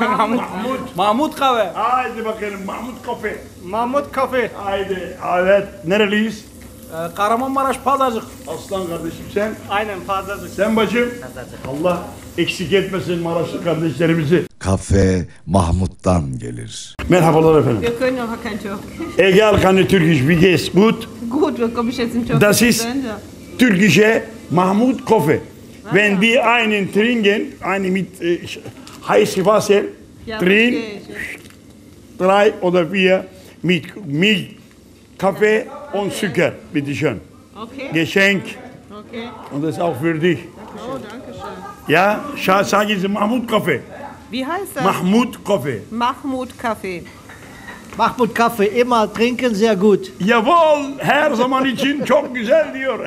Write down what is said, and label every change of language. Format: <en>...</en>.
<tr>Mahmut. Mahmut Kafe. Haydi bakalım, Mahmut Kafe. Mahmut Kafe. Haydi. Evet, nereliyiz? Kahramanmaraş Pazarcık. Aslan kardeşim sen? Aynen, Pazarcık. Sen bacım? Pazarcık. Allah eksik etmesin Maraşlı kardeşlerimizi. Kafe Mahmut'tan gelir. Merhabalar efendim.</tr> <de>Wir können auch kein Türkisch. Ege Alkan'ı Türkisch, wie geht's? Gut? Gut, wir kommen schon zum Das ist Türkische Mahmut Kafe. Wenn die einen trinken, eine mit heiße Wasser trinken, drei oder vier mit Milch, Kaffee und Zucker, bitte schön. Okay. Geschenk. Okay. Und das auch für dich. Oh, danke schön. Ja, sagen Sie Mahmut Kafe. Wie heißt das? Mahmut Kaffee. Mahmut Kaffee. Mahmut Kaffee, immer trinken, sehr gut. Jawohl,</de> <tr>her zaman için çok güzel diyor.</tr>